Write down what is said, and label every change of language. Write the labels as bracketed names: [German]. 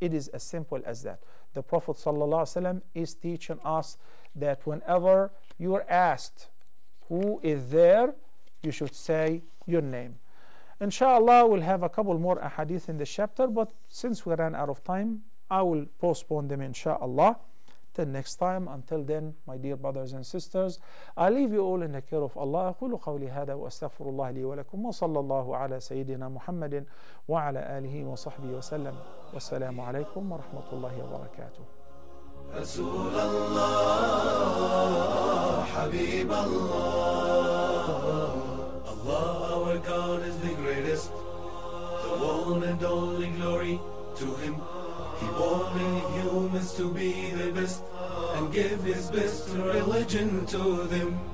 [English] It is as simple as that. The Prophet ﷺ is teaching us that whenever you are asked who is there, you should say your name. Inshallah, we'll have a couple more ahadith in the chapter, but since we ran out of time, I will postpone them inshallah. Till next time. Until then, my dear brothers and sisters, I leave you all in the care of Allah. [Arabic] قولوا قولي هذا وأستغفر الله لي ولكم وصلى الله على سيدنا محمد وعلى آله وصحبه وسلم والسلام عليكم ورحمة الله وبركاته. رسول الله حبيب الله [English] Allah our God is the greatest, the one and only glory to Him. He born in humans to be the best and give His best religion to them.